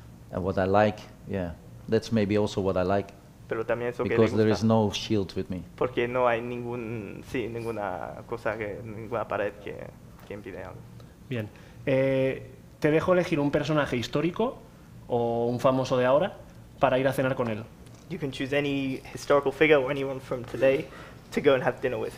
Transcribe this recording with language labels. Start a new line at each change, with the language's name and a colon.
English: And what I like, yeah, that's maybe also what I like.
Spanish: Pero también eso
English: because
Spanish: que le gusta.
English: There is no shield with me.
Spanish: Porque no hay ninguna cosa que ninguna pared que impide algo. Bien, te dejo elegir un personaje histórico o un famoso de ahora para ir a cenar con él.
English: You can choose any historical figure or anyone from today to go and have dinner with.